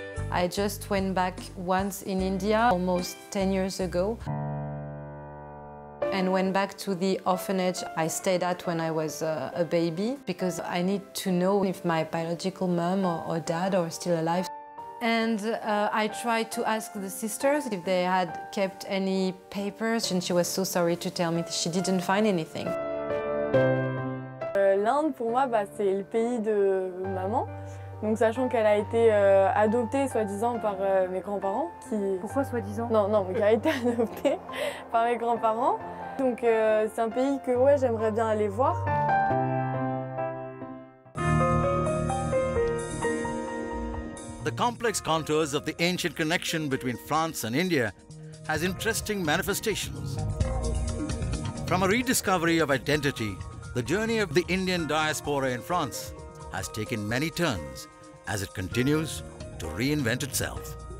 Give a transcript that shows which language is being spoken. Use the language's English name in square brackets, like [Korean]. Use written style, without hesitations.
[English] I just went back once in India, almost 10 years ago, and went back to the orphanage I stayed at when I was a baby, because I need to know if my biological mom or dad are still alive. And I tried to ask the sisters if they had kept any papers, and she was so sorry to tell me that she didn't find anything. [French] L'Inde, pour moi, bah, c'est le pays de maman. Donc, sachant qu'elle a été adoptée, soi-disant, par mes grands-parents. Qui... Pourquoi soi-disant? Non, mais qui a été adoptée par mes grands-parents. Donc, c'est un pays que ouais, j'aimerais bien aller voir. [English] The complex contours of the ancient connection between France and India has interesting manifestations. From a rediscovery of identity, the journey of the Indian diaspora in France has taken many turns as it continues to reinvent itself.